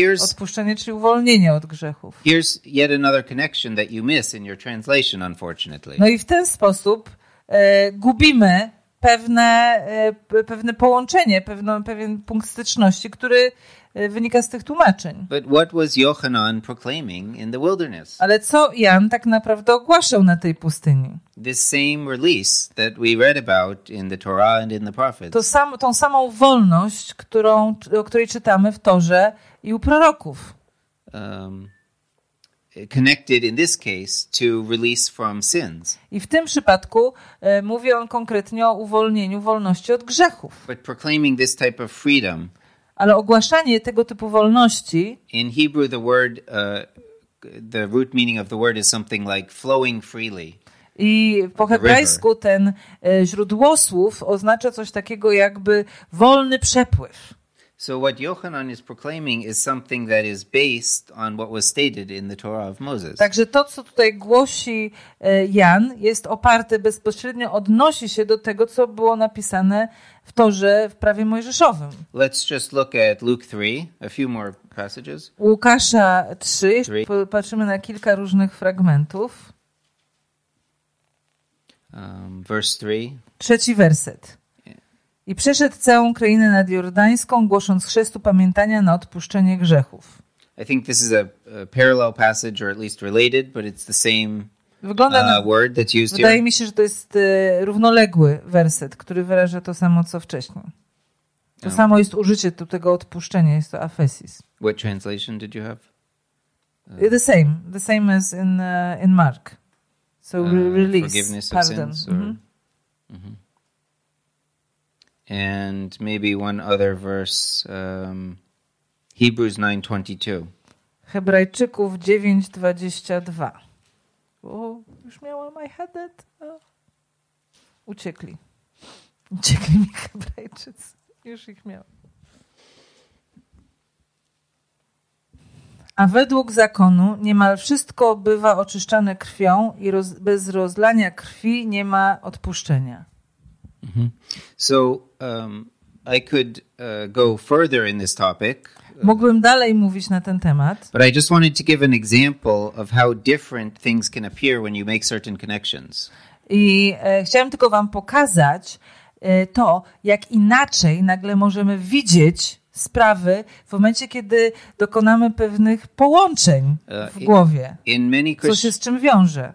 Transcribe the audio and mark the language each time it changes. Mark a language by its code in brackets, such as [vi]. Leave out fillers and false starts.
[pl] Odpuszczenie, czyli uwolnienie od grzechów. [en] Here's yet another connection that you miss in your translation, unfortunately. [pl] No i w ten sposób gubimy pewne połączenie, pewien punkt styczności, który wynika z tych tłumaczeń. [en] But what was Yohanan proclaiming in the wilderness? [pl] Ale co Jan tak naprawdę ogłaszał na tej pustyni? [en] This same release that we read about in the Torah and in the prophets. [pl] Tą samą wolność, o której czytamy w Torze i u proroków. [en] Connected in this case to release from sins. [pl] I w tym przypadku mówi on konkretnie o uwolnieniu wolności od grzechów. [en] But proclaiming this type of freedom. [pl] Ale ogłaszanie tego typu wolności. [en] In Hebrew the word the root meaning of the word is something like flowing freely. [pl] I po hebrajsku ten źródło słów oznacza coś takiego jakby wolny przepływ. [en] So what Yohanan is proclaiming is something that is based on what was stated in the Torah of Moses. [pl] Także to, co tutaj głosi Jan, jest oparte bezpośrednio odnosi się do tego, co było napisane w Torze w prawie mojżeszowym. [en] Let's just look at Luke 3, a few more passages. [pl] Łukasza 3. Popatrzymy na kilka różnych fragmentów. [en] Verse 3. [pl] Trzeci werset. I przeszedł całą krainę nadjordańską, głosząc chrzest upamiętania na odpuszczenie grzechów. [en] I think this is a parallel passage, or at least related, but it's the same word that's used here. [pl] Wydaje mi się, że to jest równoległy werset, który wyraża to samo, co wcześniej. To samo jest użycie tego odpuszczenia, jest to aphesis. [en] What translation did you have? The same as in Mark. So release, forgiveness pardon. Of sins. And maybe one other verse, Hebrews 9:22. [pl] Hebrajczyków 9:22. Już miałam, [en] I had it. [pl] Uciekli mi Hebrajczycy. Już ich miałam. A według zakonu niemal wszystko bywa oczyszczane krwią i bez rozlania krwi nie ma odpuszczenia. [en] So I could go further in this topic. [pl] Mógłbym dalej mówić na ten temat. [en] But I just wanted to give an example of how different things can appear when you make certain connections. [pl] I chciałem tylko wam pokazać to, jak inaczej nagle możemy widzieć sprawy w momencie, kiedy dokonamy pewnych połączeń w głowie, co się z czym wiąże.